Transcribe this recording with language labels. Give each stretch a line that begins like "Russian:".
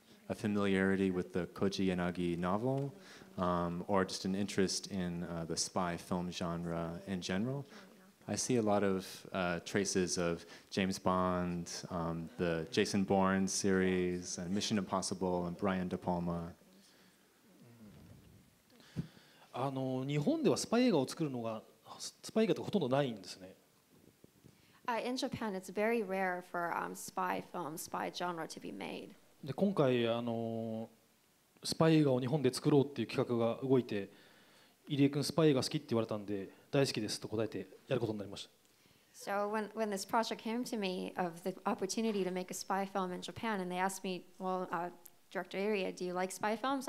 English: A familiarity with the Koji Yanagi novel, or just an interest in the spy film genre in general? I see a lot of traces of James Bond, the Jason Bourne series, and Mission Impossible, and Brian De Palma.
Japanese: あの日本ではスパイ映画を作るのがスパイ映画ってほとんどないんですね。
English: In Japan, it's very rare for spy film, spy genre to be made.
Japanese: で今回あのスパイ映画を日本で作ろうっていう企画が動いて、入江君スパイ映画好きって言われたんで大好きですと答えてやることになりました。
English: So when this project came to me of the opportunity to make a spy film in Japan, and they asked me, well, Director Irie, do you like spy films?